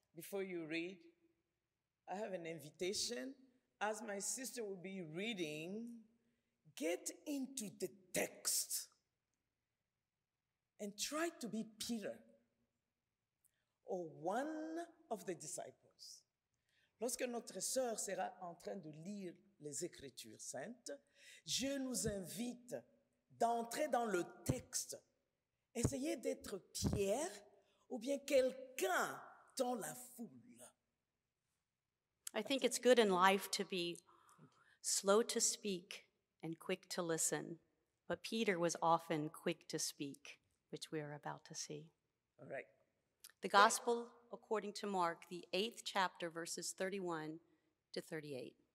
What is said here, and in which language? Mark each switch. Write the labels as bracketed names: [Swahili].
[English] Before you read, I have an invitation. As my sister will be reading, get into the text and try to be Peter or one of the disciples. [French] Lorsque notre sœur sera en train de lire les Écritures saintes, je nous invite d'entrer dans le texte. Essayez d'être Pierre ou bien quelqu'un dans la foule. [English] I think it's good in life to be slow to speak and quick to listen. But Peter was often quick to speak, which we are about to see. All right. The Gospel according to Mark, the 8th chapter, verses 31 to 38.